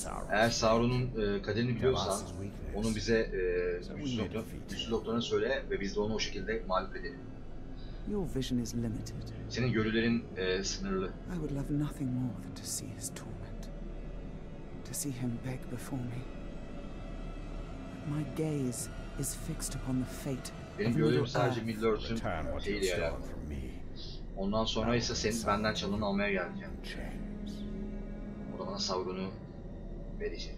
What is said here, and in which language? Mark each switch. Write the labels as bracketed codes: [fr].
[tr] Eğer Sauron'un kaderini biliyorsan, onun bize güçlü doktoruna söyle ve biz de onu o şekilde mağlup edelim. [en] Your vision is limited. [tr] Senin görülerin sınırlı. [en] I would love nothing more than to see his torment. To see him beg before me. My gaze is fixed upon the fate. [tr] Benim gördüğüm sadece Midlord'un şeyi yani. Ondan sonra ise senin benden çalını almaya geleceğim. O da bana Sauron'u verecek.